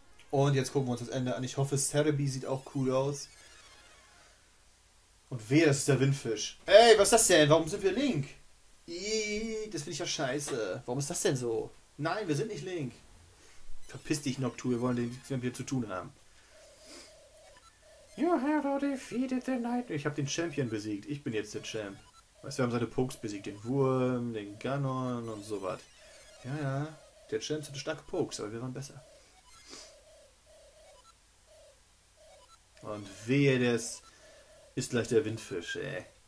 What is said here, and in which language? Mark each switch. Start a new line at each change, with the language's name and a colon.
German: Und jetzt gucken wir uns das Ende an. Ich hoffe, Serebii sieht auch cool aus. Und wer, das ist der Windfisch. Ey, was ist das denn? Warum sind wir Link? Ihhh, das finde ich ja scheiße. Warum ist das denn so? Nein, wir sind nicht Link. Verpiss dich, Noctu. Wir wollen nichts mehr mit dir zu tun haben.
English: You have defeated the night.
German: Ich habe den Champion besiegt. Ich bin jetzt der Champ. Weißt du, wir haben seine Pokes besiegt. Den Wurm, den Ganon und sowas. Ja. Der Champ hatte starke Pokes, aber wir waren besser. Und wehe, das ist gleich der Windfisch, ey.